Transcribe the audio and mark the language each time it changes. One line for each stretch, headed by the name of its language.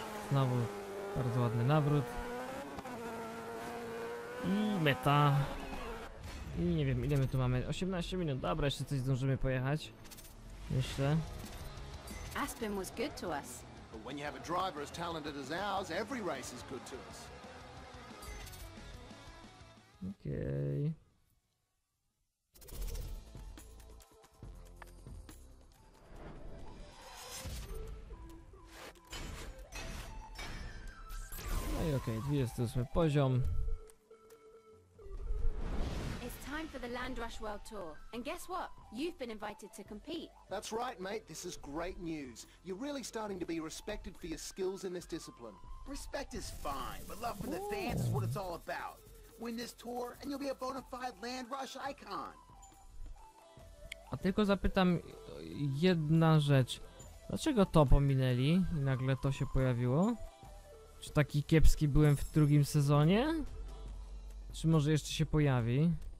Polish: Znowu bardzo ładny nawrót. I meta. I nie wiem, ile my tu mamy. 18 minut. Dobra, jeszcze coś zdążymy pojechać. Myślę.
English: Aspen was good to us. But when you have a driver as talented as ours, every race is good to us.
Polish: Okej. No i okej, 28 poziom.
English: For the Landrush World Tour. And guess what? You've been invited to compete. That's right, mate. This is great news. You're really starting to be respected for your skills in this discipline. Respect is fine, but love from the fans is what it's all about. Win this tour and you'll be a bona fide Landrush icon.
Polish: A tylko zapytam jedna rzecz. Dlaczego to pominęli i nagle to się pojawiło? Czy taki kiepski byłem w drugim sezonie? Czy może jeszcze się pojawi?